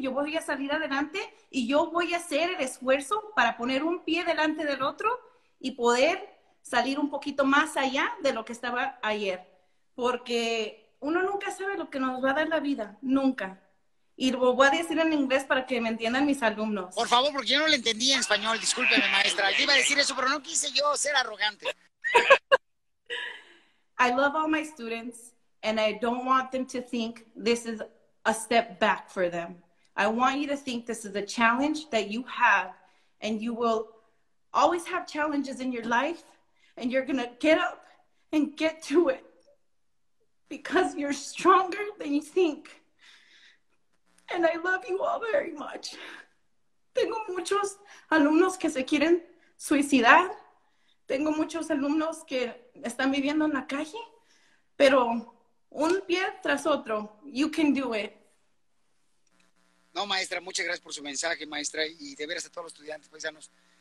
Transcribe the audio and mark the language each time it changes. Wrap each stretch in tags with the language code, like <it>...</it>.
<es>Yo voy a salir adelante y yo voy a hacer el esfuerzo para poner un pie delante del otro y poder salir un poquito más allá de lo que estaba ayer. Porque uno nunca sabe lo que nos va a dar la vida, nunca. Y lo voy a decir en inglés para que me entiendan mis alumnos. Por favor, porque yo no lo entendí en español, discúlpeme, maestra. Yo iba a decir eso, pero no quise yo ser arrogante.</es> <en>I love all my students. And I don't want them to think this is a step back for them. I want you to think this is a challenge that you have, and you will always have challenges in your life, and you're gonna get up and get to it because you're stronger than you think. And I love you all very much.</en> <es>Tengo muchos alumnos que se quieren suicidar. Tengo muchos alumnos que están viviendo en la calle, pero un pie tras otro.</es> <en>You can do it.</en> <es>No, maestra, muchas gracias por su mensaje, maestra, y de veras a todos los estudiantes, paisanos.</es>